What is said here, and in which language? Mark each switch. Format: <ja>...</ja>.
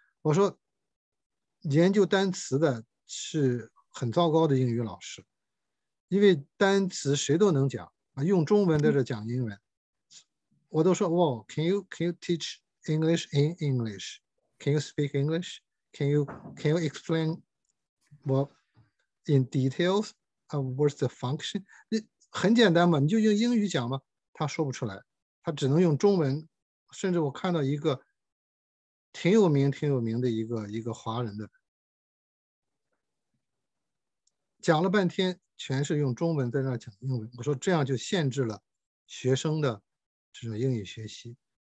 <zh>我说，研究单词的是很糟糕的英语老师，因为单词谁都能讲啊，用中文在这讲英文，我都说哇 ，</zh> <en>Can you teach English in English？ Can you speak English？ Can you explain what in details of what's the function？</en> <zh>很简单嘛，你就用英语讲嘛。他说不出来，他只能用中文。甚至我看到一个挺有名的一个华人的，讲了半天全是用中文在那讲英文。我说这样就限制了学生的这种英语学习。</zh>